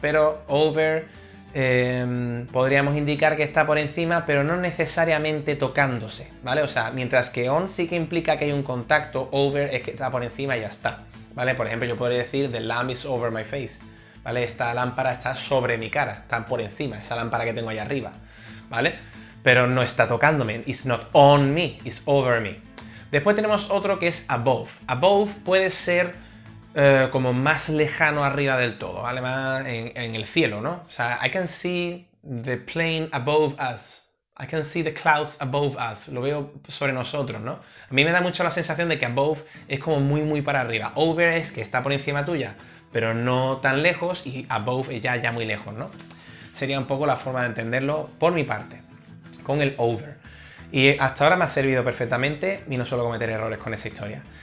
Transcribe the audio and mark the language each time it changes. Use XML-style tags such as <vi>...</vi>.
<es>Pero over podríamos indicar que está por encima, pero no necesariamente tocándose, ¿vale? O sea, mientras que on sí que implica que hay un contacto, over es que está por encima y ya está, ¿vale? Por ejemplo, yo podría decir</es> <en>the lamp is over my face,</en> <es>¿vale? Esta lámpara está sobre mi cara, está por encima, esa lámpara que tengo allá arriba, ¿vale? Pero no está tocándome,</es> <en>it's not on me, it's over me.</en> <es>Después tenemos otro que es above. Above puede ser como más lejano arriba del todo, ¿vale? Más en el cielo, ¿no? O sea,</es> <en>I can see the plane above us. I can see the clouds above us.</en> <es>Lo veo sobre nosotros, ¿no? A mí me da mucho la sensación de que above es como muy, muy para arriba. Over es que está por encima tuya, pero no tan lejos, y above es ya muy lejos, ¿no? Sería un poco la forma de entenderlo por mi parte, con el over. Y hasta ahora me ha servido perfectamente y no suelo cometer errores con esa historia.</es>